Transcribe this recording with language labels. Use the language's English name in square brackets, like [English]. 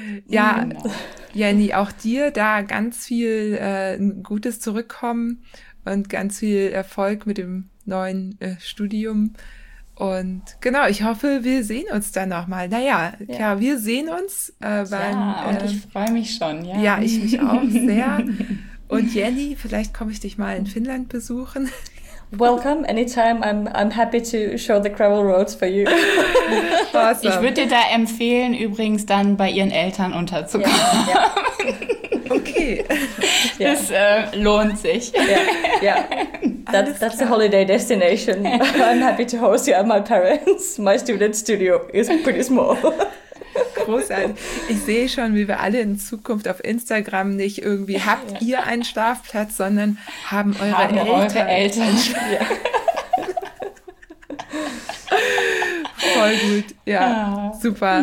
[German] Ja, Jenny, auch dir da ganz viel Gutes zurückkommen und ganz viel Erfolg mit dem neuen Studium. Und genau, ich hoffe, wir sehen uns dann nochmal. Naja, ja, wir sehen uns. Ich freue mich schon. Ja. Ja, ich mich auch sehr. Und Jenny, vielleicht komme ich dich mal in Finnland besuchen. [English] Welcome, anytime. I'm happy to show the gravel roads for you. Awesome. [German] Ich würde dir da empfehlen, übrigens dann bei ihren Eltern unterzukommen. [English] Yeah. Okay. [German] Das lohnt sich. [English] Yeah. That's a holiday destination. I'm happy to host you at my parents. My student studio is pretty small. [German] Großartig. Ich sehe schon, wie wir alle in Zukunft auf Instagram nicht irgendwie habt ihr einen Schlafplatz, sondern haben eure Eltern. Ja. Voll gut. Ja, super.